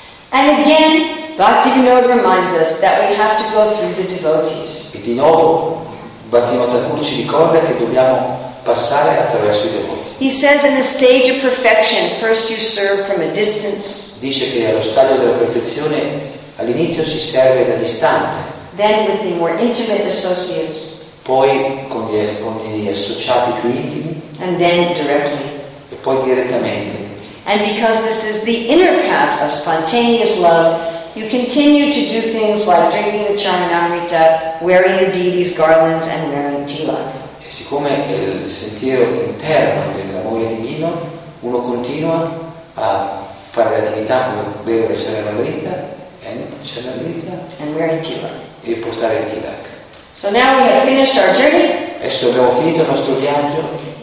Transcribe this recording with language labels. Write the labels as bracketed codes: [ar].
[en] And again, Bhaktivinoda reminds us that we have to go through the devotees. [it] E di nuovo, Bhaktivinoda Thakur ci ricorda che dobbiamo passare attraverso i devoti. [en] He says, in the stage of perfection, first you serve from a distance. [it] Dice che allo stadio della perfezione, all'inizio si serve da distante. [en] Then with the more intimate associates. [it] Poi con gli associati più intimi. [en] And then directly. [it] E poi direttamente. [en] And because this is the inner path of spontaneous love, you continue to do things like drinking the Charanamrita, wearing the deity's garlands, and wearing tilak. [it] E siccome è il sentiero interno dell'amore divino, uno continua a fare l'attività come bere il Chalamrita e portare il Tilak. [en] So now we have finished our journey. [it] Adesso abbiamo finito il nostro viaggio.